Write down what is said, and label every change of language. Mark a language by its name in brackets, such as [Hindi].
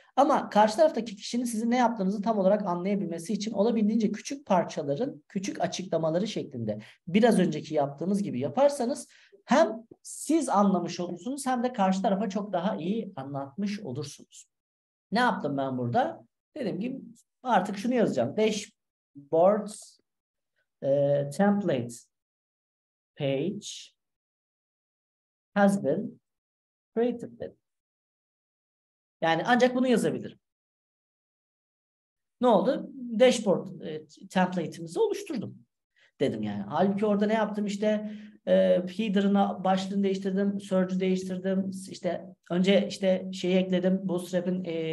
[Turkish] Ama karşı taraftaki kişinin sizin ne yaptığınızı tam olarak anlayabilmesi için olabildiğince küçük parçaların küçük açıklamaları şeklinde biraz önceki yaptığımız gibi yaparsanız hem siz anlamış olursunuz hem de karşı tarafa çok daha iyi anlatmış olursunuz. Ne yaptım ben burada? Dedim ki artık şunu yazacağım. [English] Dashboard template page has been created. [Turkish] Yani ancak bunu yazabilirim. Ne oldu? Dashboard template'imizi oluşturdum. Dedim yani. Halbuki orada ne yaptım işte header'ına başlığını değiştirdim. Search'ü değiştirdim. İşte önce işte şeyi ekledim. Bootstrap'in